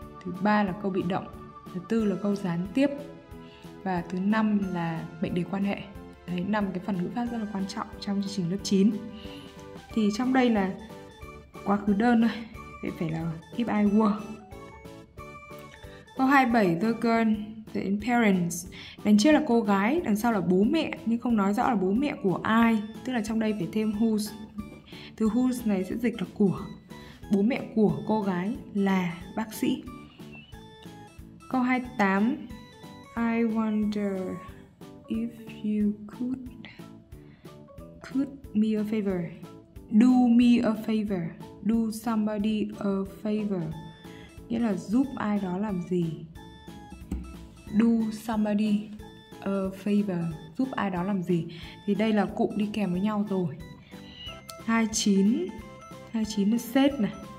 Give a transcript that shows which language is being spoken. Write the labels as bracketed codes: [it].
[vi] Thứ ba là câu bị động. Thứ tư là câu gián tiếp. Và thứ năm là mệnh đề quan hệ. Đấy, 5 cái phần ngữ pháp rất là quan trọng trong chương trình lớp 9. Thì trong đây là quá khứ đơn thôi, vậy phải là if I were. [en] Câu 27, the girl, the parents. [vi] Đằng trước là cô gái, đằng sau là bố mẹ, nhưng không nói rõ là bố mẹ của ai. Tức là trong đây phải thêm whose. Từ whose này sẽ dịch là của. Bố mẹ của cô gái là bác sĩ. Câu 28, I wonder if you could me a favor. [en] Do me a favor. [vi] Do somebody a favor nghĩa là giúp ai đó làm gì. Do somebody a favor, giúp ai đó làm gì. Thì đây là cụm đi kèm với nhau rồi. 29 là set này.